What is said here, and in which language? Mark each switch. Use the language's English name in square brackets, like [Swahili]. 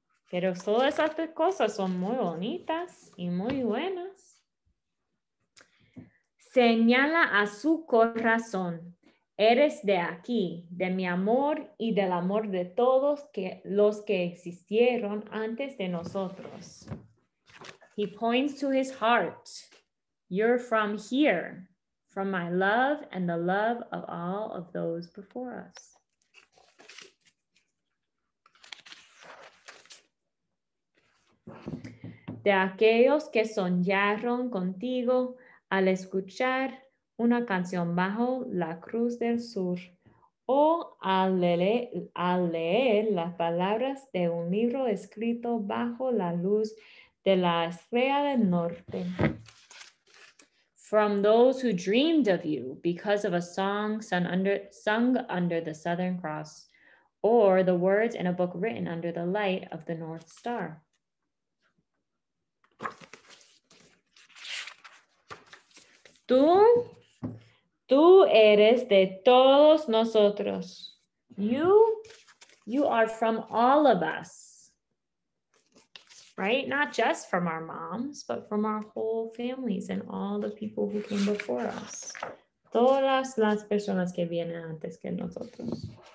[Spanish] Pero todas esas tres cosas son muy bonitas y muy buenas. Señala a su corazón. Eres de aquí, de mi amor y del amor de todos que, los que existieron antes de nosotros. [English] He points to his heart. You're from here, from my love and the love of all of those before us. [Spanish] De aquellos que soñaron contigo al escuchar una canción bajo la cruz del sur o al leer las palabras de un libro escrito bajo la luz de la estrella del norte. [English] From those who dreamed of you because of a song sung under the Southern Cross or the words in a book written under the light of the North Star. [Spanish] Tú eres de todos nosotros. [English] You are from all of us. Right? Not just from our moms, but from our whole families and all the people who came before us. [Spanish] Todas las personas que vienen antes que nosotros.